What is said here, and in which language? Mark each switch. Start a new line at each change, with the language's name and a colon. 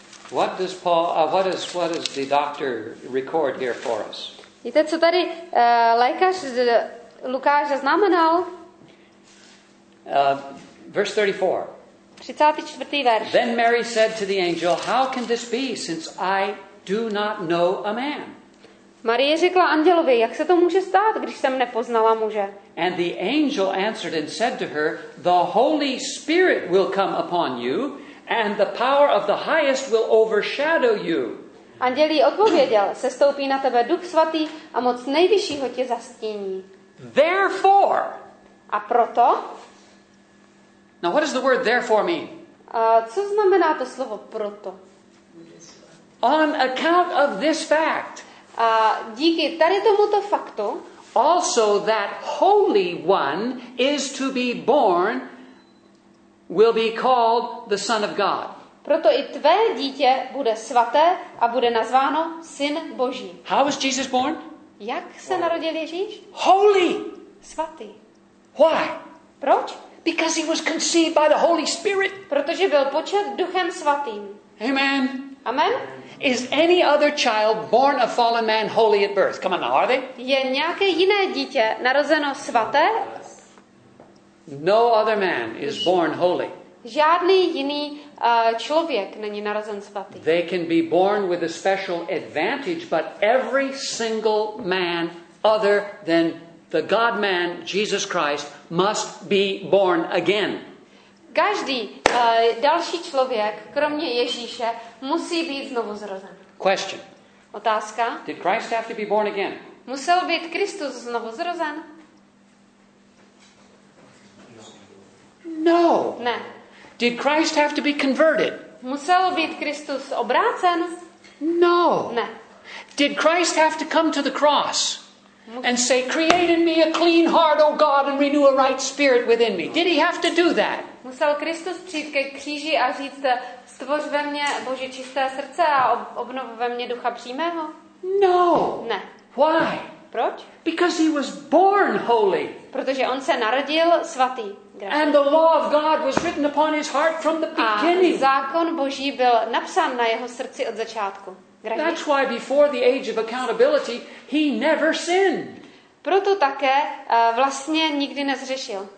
English: What does Paul what does the doctor record here for us?
Czech: Víte, co tady lékař Lukáš zaznamenal?
English: Verse 34.
Czech: 34. verš.
English: Then Mary said to the angel, "How can this be since I do not know a man?"
Czech: Marie řekla andělovi, jak se to může stát, když jsem nepoznala muže?
English: And the angel answered and said to her, "The Holy Spirit will come upon you, and the power of the highest will overshadow you."
Czech: Anděl jí odpověděl, sestoupí na tebe Duch svatý a moc nejvyššího tě zastíní.
English: Therefore.
Czech: A proto?
English: Now what does the word therefore mean?
Czech: Co znamená to slovo proto?
English: On account of this fact.
Czech: A díky tady tomuto faktu.
English: Also that Holy One is to be born will be called the Son of God.
Czech: Proto i tvé dítě bude svaté a bude nazváno Syn Boží.
English: How was Jesus born?
Czech: Jak se narodil Ježíš?
English: Holy.
Czech: Svatý.
English: Why?
Czech: Proč?
English: Because he was conceived by the Holy Spirit.
Czech: Protože byl počat Duchem svatým.
English: Amen.
Czech: Amen.
English: Is any other child born a fallen man holy at birth? Come on now, are they?
Czech: Je nějaké jiné dítě narozeno svaté?
English: No other man is born holy.
Czech: Žádný jiný člověk není narozen svatý.
English: They can be born with a special advantage, but every single man other than the God-man Jesus Christ must be born again.
Czech: Každý další člověk, kromě Ježíše, musí být znovu zrozen.
English: Question.
Czech: Otázka.
English: Did Christ have to be born again?
Czech: Musel být Kristus znovu zrozen?
English: No.
Czech: Ne.
English: Did Christ have to be converted?
Czech: Musel být Kristus obrácen?
English: No.
Czech: Ne.
English: Did Christ have to come to the cross and say, "Create in me a clean heart, O God, and renew a right spirit within me"? Did he have to do that?
Czech: Musel Kristus přijít ke kříži a říct, stvoř ve mně Bože čisté srdce a obnov ve mně ducha přímého?
English: No.
Czech: Ne.
English: Why?
Czech: Proč?
English: Because he was born holy.
Czech: Protože on se narodil svatý.
English: And the law of God was written upon his heart from the beginning.
Czech: A zákon Boží byl napsán na jeho srdci od začátku. Gražit.
English: That's why before the age of accountability he never sinned.
Czech: Proto také vlastně nikdy nezřešil.